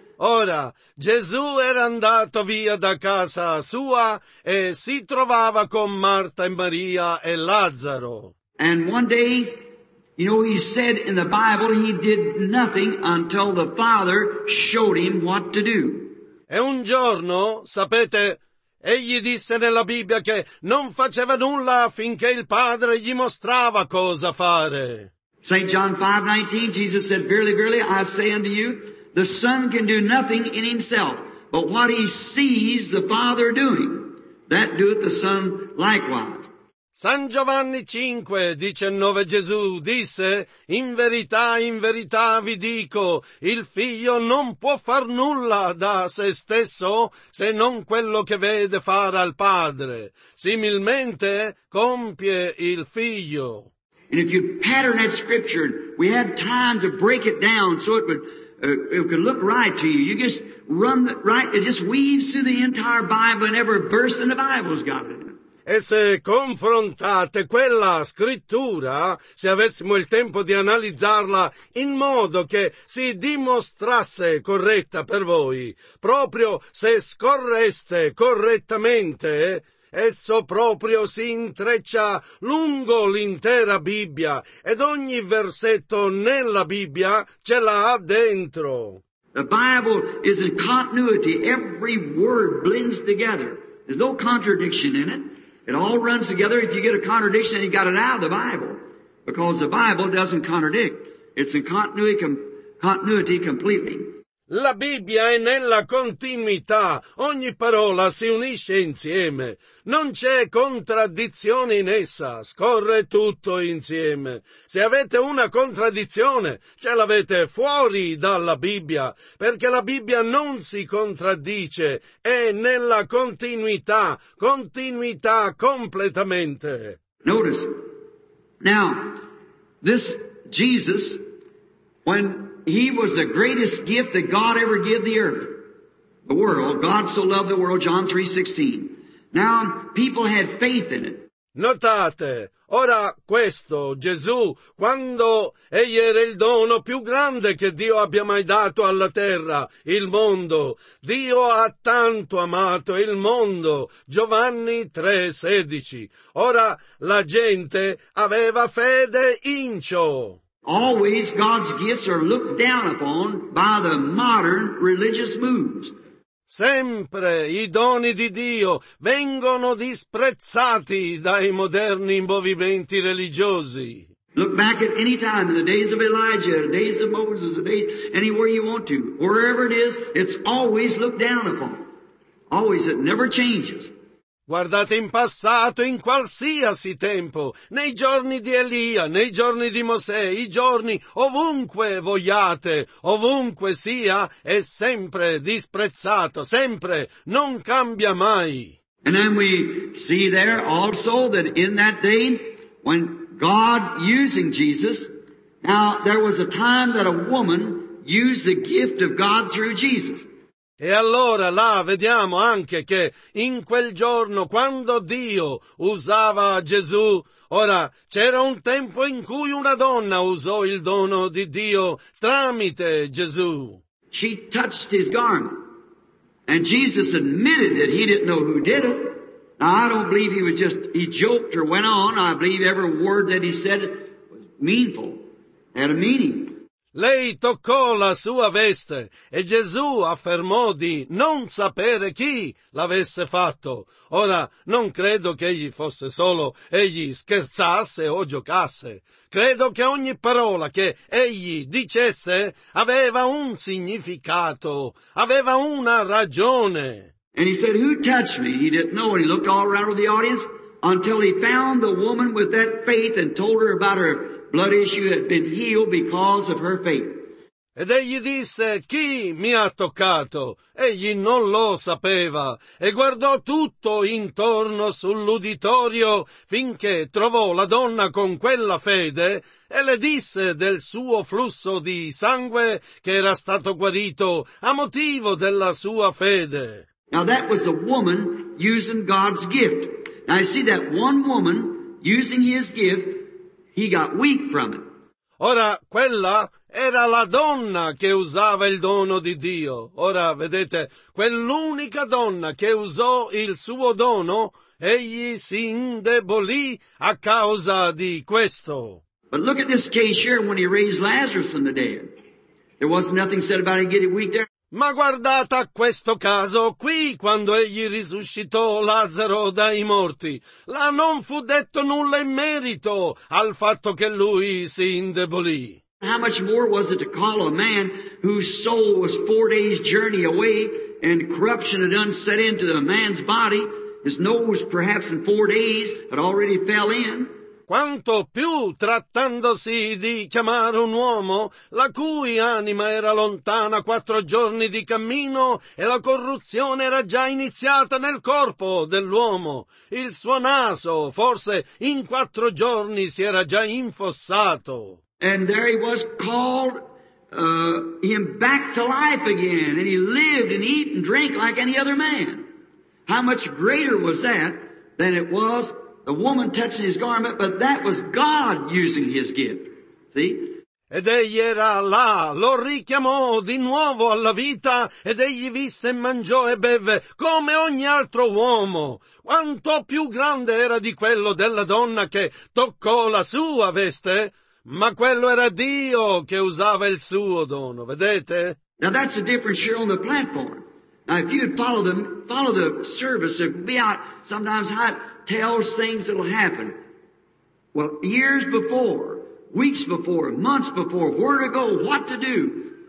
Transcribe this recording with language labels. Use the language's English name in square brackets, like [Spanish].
[Italian] Ora, Gesù era andato via da casa sua e si trovava con Marta e Maria e Lazzaro. [English] And one day, you know, he said in the Bible he did nothing until the Father showed him what to do. [Italian] E un giorno, sapete, egli disse nella Bibbia che non faceva nulla finché il Padre gli mostrava cosa fare. [English] St. John 5:19, Jesus said, "Verily, verily, I say unto you, the Son can do nothing in himself, but what he sees the Father doing, that doeth the Son likewise." [Italian] San Giovanni 5:19, Gesù disse, in verità vi dico, il figlio non può far nulla da se stesso se non quello che vede fare al Padre. Similmente compie il figlio. [English] And if you pattern that scripture, we had time to break it down so it could look right to you. You just run the, right, it just weaves through the entire Bible and every verse in the Bible's got it. [Italian] E se confrontate quella scrittura, se avessimo il tempo di analizzarla in modo che si dimostrasse corretta per voi, proprio se scorreste correttamente, esso proprio si intreccia lungo l'intera Bibbia ed ogni versetto nella Bibbia ce l'ha dentro. [English] The Bible is in continuity. Every word blends together. There's no contradiction in it. It all runs together. If you get a contradiction, you got it out of the Bible. Because the Bible doesn't contradict. It's in continuity completely. [Italian] La Bibbia è nella continuità. Ogni parola si unisce insieme. Non c'è contraddizione in essa. Scorre tutto insieme. Se avete una contraddizione, ce l'avete fuori dalla Bibbia. Perché la Bibbia non si contraddice. È nella continuità. Continuità completamente. [English] Notice. Now, this Jesus, when he was the greatest gift that God ever gave the earth, the world. God so loved the world, John 3:16. Now, people had faith in it. [Italian] Notate, ora questo, Gesù, quando egli era il dono più grande che Dio abbia mai dato alla terra, il mondo, Dio ha tanto amato il mondo, Giovanni 3:16. Ora, la gente aveva fede in ciò. [English] Always God's gifts are looked down upon by the modern religious moves. [Italian] Sempre i doni di Dio vengono disprezzati dai moderni movimenti religiosi. [English] Look back at any time in the days of Elijah, the days of Moses, the days anywhere you want to. Wherever it is, it's always looked down upon. Always, it never changes. [Italian] Guardate in passato, in qualsiasi tempo, nei giorni di Elia, nei giorni di Mosè, i giorni ovunque vogliate, ovunque sia, è sempre disprezzato, sempre, non cambia mai. [English] And then we see there also that in that day, when God using Jesus, now there was a time that a woman used the gift of God through Jesus. [Italian] E allora là vediamo anche che in quel giorno quando Dio usava Gesù, ora c'era un tempo in cui una donna usò il dono di Dio tramite Gesù. [English] She touched his garment. And Jesus admitted that he didn't know who did it. Now, I don't believe he joked or went on. I believe every word that he said was meaningful, had a meaning. [Italian] Lei toccò la sua veste e Gesù affermò di non sapere chi l'avesse fatto. Ora, non credo che egli fosse solo, egli scherzasse o giocasse. Credo che ogni parola che egli dicesse aveva un significato, aveva una ragione. [English] And he said, "Who touched me?" He didn't know, and he looked all around the audience. until he found the woman with that faith and told her about her blood issue had been healed because of her faith. [Italian] Ed egli disse, chi mi ha toccato? Egli non lo sapeva, e guardò tutto intorno sull'uditorio finché trovò la donna con quella fede e le disse del suo flusso di sangue che era stato guarito a motivo della sua fede. [English] Now that was the woman using God's gift. Now I see that one woman using his gift, he got weak from it. [Italian] Ora, quella era la donna che usava il dono di Dio. Ora, vedete, quell'unica donna che usò il suo dono, egli si indebolì a causa di questo. [English] But look at this case here when he raised Lazarus from the dead. There wasn't nothing said about him getting weak there. [Italian] Ma guardate questo caso qui, quando egli risuscitò Lazzaro dai morti. Là non fu detto nulla in merito al fatto che lui si indebolì. [English] How much more was it to call a man whose soul was 4 days journey away and corruption had unset into a man's body, his nose perhaps in 4 days had already fell in? [Italian] Quanto più trattandosi di chiamare un uomo la cui anima era lontana 4 giorni di cammino e la corruzione era già iniziata nel corpo dell'uomo. Il suo naso forse in 4 giorni si era già infossato. [English] And there he was called him back to life again, and he lived and eat and drank like any other man. How much greater was that than it was the woman touching his garment, but that was God using his gift. See? [Italian] Ed egli era là, lo richiamò di nuovo alla vita, ed egli visse e mangiò e beve, come ogni altro uomo. Quanto più grande era di quello della donna che toccò la sua veste, ma quello era Dio che usava il suo dono, vedete? [English] Now that's a difference here on the platform. Now if you'd follow the service, it would be out sometimes hot. Tells things that'll happen. Well, years before, weeks before, months before, where to go, what to do.